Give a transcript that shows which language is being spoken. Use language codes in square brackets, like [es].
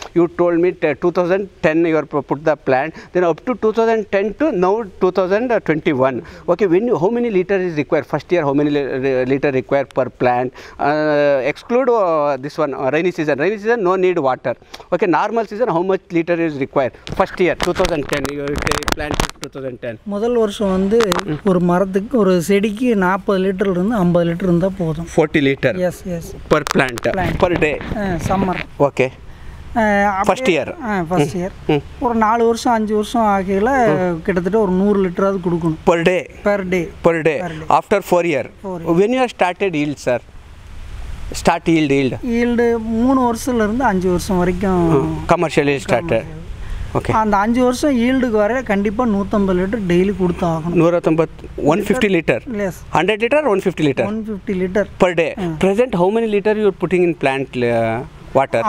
[en] You told me 2010 you are put the plant, then up to 2010 to now 2021. Okay, when how many litre is require first year, how many litre require per plant, exclude this one rainy season, rainy season no need water. Okay, normal season how much litre is require first year 2010 plant 2010? [kn] ಮೊದಲ ವರ್ಷ ಒಂದು [ta] ஒரு மரத்துக்கு ஒரு செடிக்கு 40 litre இருந்து 50 litre இருந்தா போதும். 40 litre [en] Yes yes per plant per day summer. Okay, first year first year [ta] ஒரு 4 வருஷம் 5 வருஷம் ஆகையில கிட்டத்தட்ட ஒரு 100 லிட்டர் அது கொடுக்கணும் [en] Per day per day per day after 4 year. when you have started yield sir, start yield yield [ta] yield 3 வருஷம்ல இருந்து 5 வருஷம் வரைக்கும் [en] Commercial start. [ta] ஓகே, அந்த 5 வருஷம் ஈல்டுக்கு வர கண்டிப்பாக 150 லிட்டர் டெய்லி கொடுத்தாகணும். 150 litre 100 litre 150 litre 150 litre [en] Per day. Present how many litre your putting in plant water?